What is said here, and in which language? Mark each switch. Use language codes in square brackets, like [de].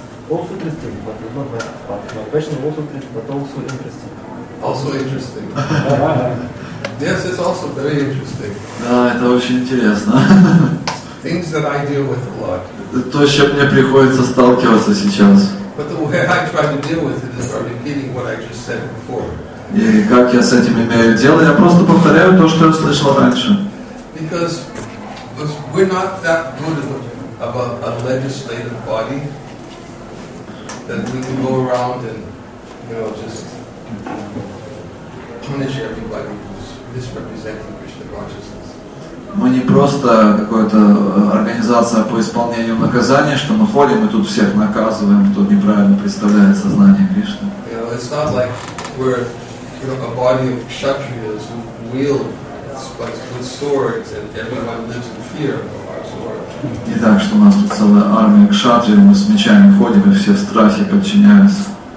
[en] Also interesting. Yes, it's also very interesting. [ru] Да, это очень интересно. [en] Things that I deal with a lot. [ru] То, с чем мне приходится сталкиваться сейчас. [en] But the way I try to deal with it is by repeating what I just said before. [ru] И как я с этим имею дело? Я просто повторяю то, что я слышал раньше. [en] Because we're not that good about a legislative body that we can go around and, you know, just punish everybody who's misrepresenting Krishna consciousness. [ru] Мы не просто какая-то организация по исполнению наказания, что мы ходим и тут всех наказываем, кто неправильно представляет сознание Кришны. [en] It's not like we're, you know, a body of kshatriyas who wield with swords and everyone lives in fear of our sword. [ru] Не так, что у нас тут целая армия кшатрий, мы с мечами ходим и все в страхе подчиняются.